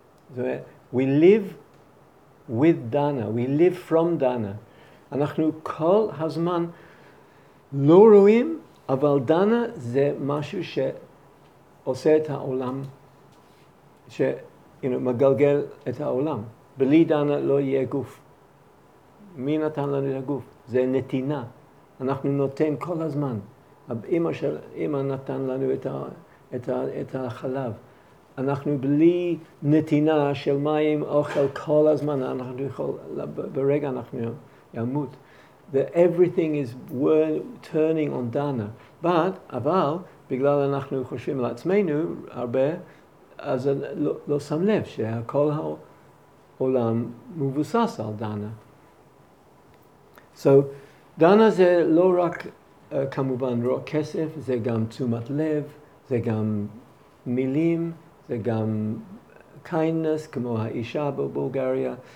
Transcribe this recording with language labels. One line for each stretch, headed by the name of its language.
Hebrew: זאת אומרת,
English: we live with דנה, we live from דנה.
Hebrew: אנחנו כל הזמן לא רואים, אבל דנה זה משהו שעושה את העולם, שמגלגל את העולם. בלי דנה לא יהיה גוף. מי נתן לנו את הגוף? זה נתינה. אנחנו נותן כל הזמן. אמא נתן לנו את החלב. אנחנו בלי נתינה של מים, אוכל כל הזמן, אנחנו יכול, ברגע אנחנו ימות.
English: The everything is turning on dana.
Hebrew: אבל, בגלל אנחנו חושבים על עצמנו הרבה, אז לא שם לב שכל העולם מבוסס על dana. So, dana זה לא רק, כמובן, רק כסף, זה גם תשומת לב, זה גם מילים, זה גם kindness, כמו האישה בבולגריה.